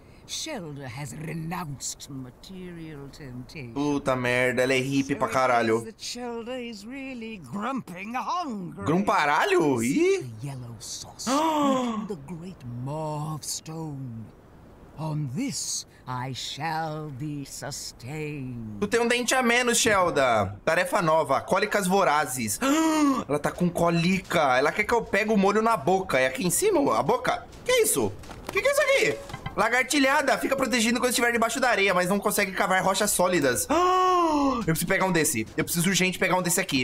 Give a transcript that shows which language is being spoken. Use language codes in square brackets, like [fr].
[en] Shelda has renounced material temptation. [pt] Puta merda, ela é hippie pra caralho. [en] Shelda is really grumping hungry. Grumparalho? Yellow sauce. The great maw of stone. On this I shall be sustained. [pt] Tu tem um dente a menos, Shelda. Tarefa nova, cólicas vorazes. Ela tá com cólica. Ela quer que eu pegue o molho na boca. É aqui em cima, a boca? Que isso? Que é isso aqui? Lagartilhada, fica protegido quando estiver debaixo da areia, mas não consegue cavar rochas sólidas. Eu preciso pegar um desse. Eu preciso urgente pegar um desse aqui.